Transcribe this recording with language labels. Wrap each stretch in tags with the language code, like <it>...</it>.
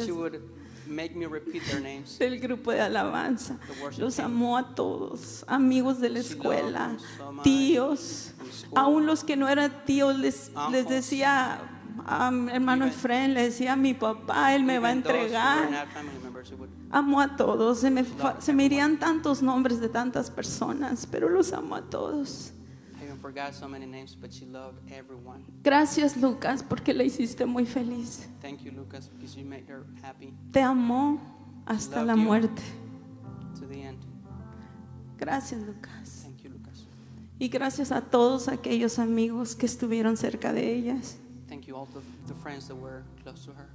<en>So she would make me repeat their names.</en> <es>El grupo de alabanza. Los amó a todos, amigos de la escuela,</es> <en>so</en> <es>tíos. Aún los que no eran tíos les decía hermano Efren, le decía mi papá, él me va a entregar. Amo a todos, se me irían tantos nombres de tantas personas, pero los amo a todos.</es> <en>I even and forgot so many names, but she loved everyone.</en> <es>Gracias, Lucas, porque la hiciste muy feliz.</es> <en>Thank you, Lucas, because you made her happy.</en> <es>Te amó hasta la muerte.</es> <en>To the end.</en> <es>Gracias, Lucas.</es> <en>Thank you, Lucas.</en> <es>Y gracias a todos aquellos amigos que estuvieron cerca de ellas.</es> <en>Thank you, all the friends that were close to her.</en>